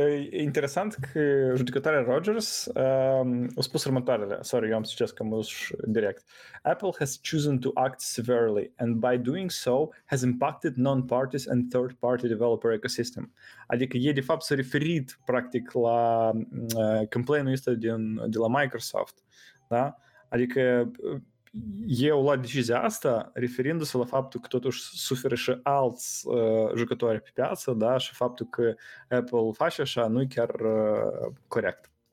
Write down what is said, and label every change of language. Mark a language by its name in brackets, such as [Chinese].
[Romanian] Interesant că judecătoarea Rogers a spus următoarele. Sorry, eu am citit că mă duc direct. [English] Apple has chosen to act severely and by doing so has impacted non-parties and third-party developer ecosystem. [Romanian] Adică ei de fapt s-a referit practic la complaint-ul ăsta de la Microsoft. Da? Adică eu luat decizia asta referindu-se la faptul că totuși suferă și alți jucători pe piață, da, și faptul că Apple face așa nu e chiar corect.